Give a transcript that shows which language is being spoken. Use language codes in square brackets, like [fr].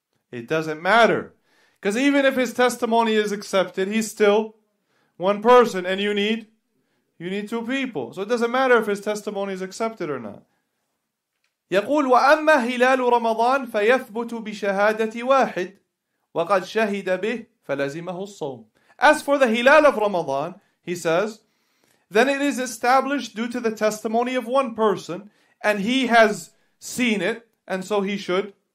[en] It doesn't matter. Because even if his testimony is accepted, he's still one person and you need two people. So it doesn't matter if his testimony is accepted or not. [ar] يقول وأما هلال رمضان فيثبت بشهادة واحد وقد شهد به فلزمه الصوم. [en] As for the hilal of Ramadan, he says, then it is established due to the testimony of one person and he has seen it and so he should.